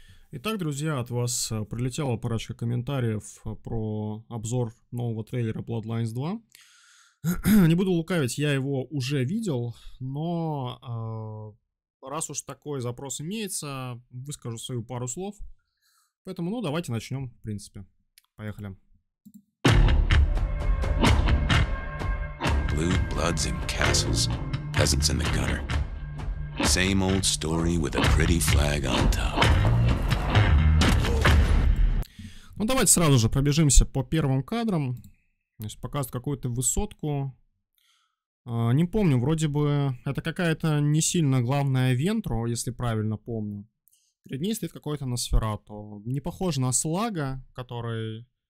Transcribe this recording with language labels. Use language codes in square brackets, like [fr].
[ru] Итак, друзья, от вас прилетела парочка комментариев про обзор нового трейлера Bloodlines 2. Не буду лукавить, я его уже видел, но раз уж такой запрос имеется, выскажу свою пару слов. Поэтому, ну, давайте начнем, в принципе. Поехали. [en] Blue bloods and castles, peasants in the gutter. Same old story with a pretty flag on top. [ru] Ну давайте сразу же пробежимся по первым кадрам. То есть показывают какую-то высотку. Не помню, вроде бы это какая-то не сильно главная вентру, если правильно помню. Перед ней стоит какой-то Носферату. Не похоже на Слага, который...